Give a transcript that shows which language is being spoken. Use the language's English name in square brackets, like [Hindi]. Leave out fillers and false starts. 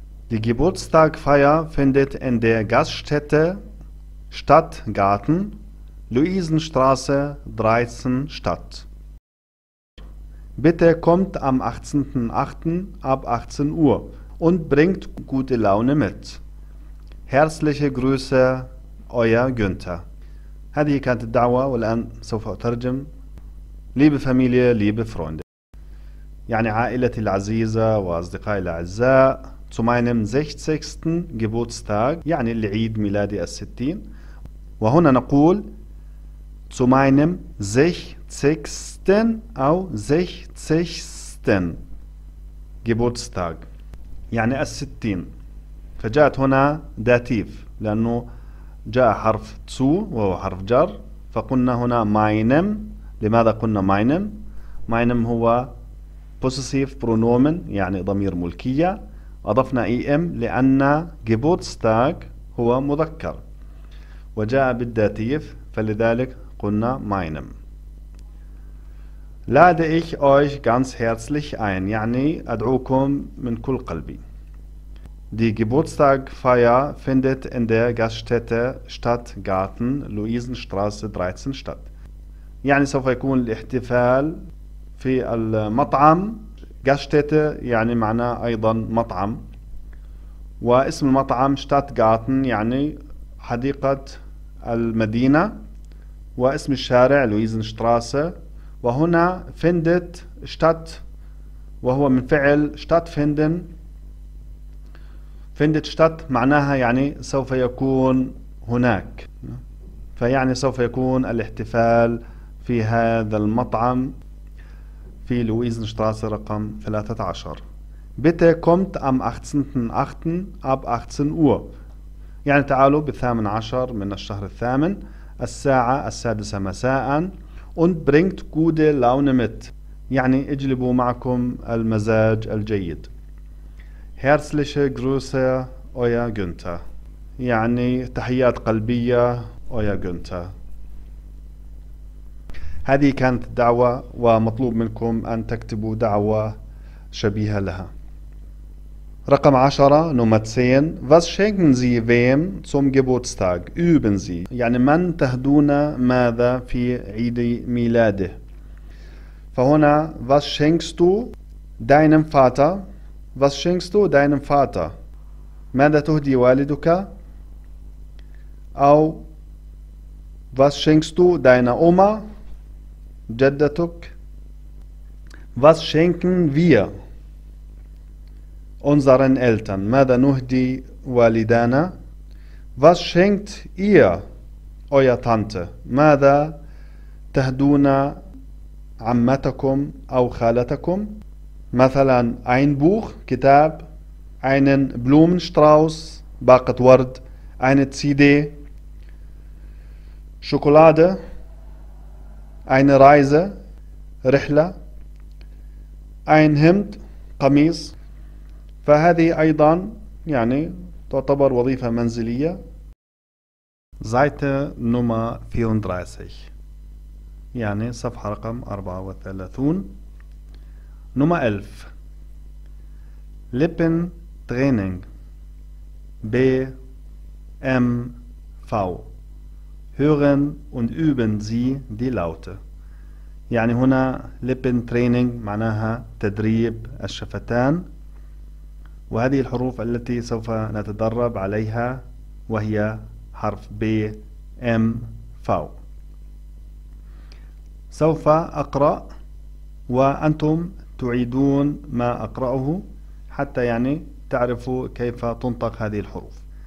[German] Die Geburtstagfeier findet in der Gaststätte Stadtgarten, Luisenstraße 13 statt. Bitte kommt am 18.08. ab 18 Uhr und bringt gute Laune mit. Herzliche Grüße, euer Günther. [Arabic] هذه كانت الدعوة والآن سوف أترجم. [German] Liebe Familie, liebe Freunde. [Arabic] يعني عائلتي العزيزة وأصدقائي الأعزاء. [German] Zu meinem 60. [Arabic] Geburtstag, يعني العيد ميلادي 60. وهنا نقول [German] Zu meinem 60. [Arabic] أو 60. Geburtstag. يعني 60. فجاءت هنا داتيف لأنه جاء حرف zu وهو حرف جر فقلنا هنا meinem. لماذا قلنا meinem؟ meinem هو possessive pronomen يعني ضمير ملكية أضفنا im لأن Geburtstag هو مذكر وجاء بالداتيف فلذلك قلنا meinem. [German] Lade ich euch ganz herzlich ein [Arabic] يعني أدعوكم من كل قلبي. [German] Die Geburtstagfeier findet in der Gaststätte Stadtgarten, Luisenstraße 13 statt. [Arabic] يعني سوف يكون الاحتفال في المطعم. Gaststätte يعني معنى أيضا مطعم. واسم المطعم Stadtgarten يعني حديقة المدينة. واسم الشارع Luisenstraße. وهنا findet statt وهو من فعل stattfinden. findet statt معناها يعني سوف يكون هناك فيعني سوف يكون الاحتفال في هذا المطعم في لويزنشتراسة رقم 13. [German] Bitte kommt am 18.08. ab 18 Uhr [Arabic] يعني تعالوا بالثامن عشر من الشهر الثامن الساعة السادسة مساء [German] und bringt gute Laune mit [Arabic] يعني اجلبوا معكم المزاج الجيد. [German] Herzliche Grüße, euer Günther. [Arabic] يعني تحيات قلبية, euer Günther. هذه كانت الدعوة ومطلوب منكم أن تكتبوا دعوة شبيهة لها. رقم 10, [German] Nummer 10. Was schenken Sie wem zum Geburtstag? Üben Sie. [Arabic] يعني من تهدون ماذا في عيد ميلاده؟ فهنا, [German] was schenkst du deinem Vater? Was schenkst du deinem Vater? [Arabic] ماذا تهدي والدك؟ أو [German] Was schenkst du deiner Oma? [Arabic] جدتك؟ [German] Was schenken wir unseren Eltern? [Arabic] ماذا نهدي والدانا؟ [German] Was schenkt ihr eure Tante? [Arabic] ماذا تهدون عمتكم أو خالتكم؟ مثلا ein Buch, كتاب, einen Blumenstrauß, باقة ورد, eine CD, Schokolade, eine Reise, رحلة, ein Hemd, قميص. فهذه أيضا يعني تعتبر وظيفة منزلية. [German] Seite Nummer 34 [Arabic] يعني صفحة رقم 34. [German] Nummer 11. Lippentraining. B. M. V. Hören und üben Sie die Laute. [Arabic] يعني هنا Lippentraining معناها تدريب الشفتان. وهذه الحروف التي سوف نتدرب عليها وهي حرف B. M. V. سوف أقرأ وأنتم تعيدون ما أقرأه حتى يعني تعرفوا كيف تنطق هذه الحروف.